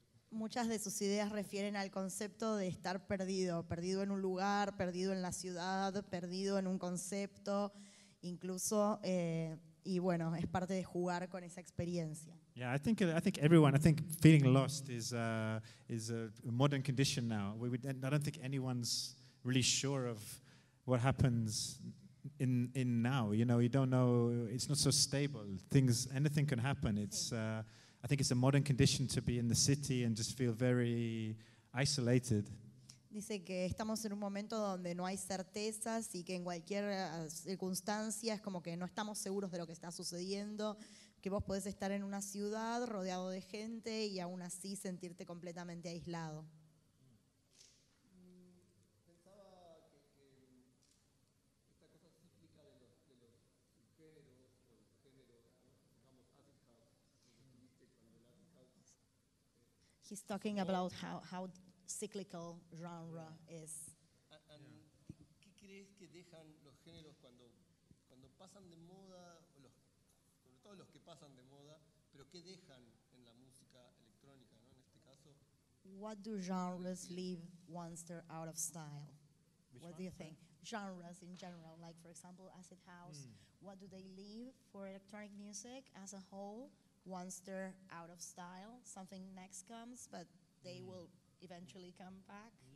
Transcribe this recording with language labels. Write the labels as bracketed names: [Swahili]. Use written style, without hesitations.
[Spanish] Muchas de sus ideas refieren al concepto de estar perdido, perdido en un lugar, perdido en la ciudad, perdido en un concepto, incluso... Y bueno, es parte de jugar con esa experiencia. [English] Yeah, I think feeling lost is a modern condition now. I don't think anyone's really sure of what happens in now. You know, you don't know. It's not so stable. Anything can happen. I think it's a modern condition to be in the city and just feel very isolated. [Spanish] Dice que estamos en un momento donde no hay certezas y que en cualquier circunstancia es como que no estamos seguros de lo que está sucediendo, que vos podés estar en una ciudad rodeado de gente y aún así sentirte completamente aislado. [English] He's talking about how cyclical genre is. [Spanish] ¿Qué crees que dejan los géneros cuando pasan de moda, sobre todo los que pasan de moda, pero qué dejan en la música electrónica, ¿no? En este caso. [English] What do genres leave once they're out of style? What do you think? Genres in general, like for example, acid house. What do they leave for electronic music as a whole once they're out of style? Something next comes, but they will eventually come back.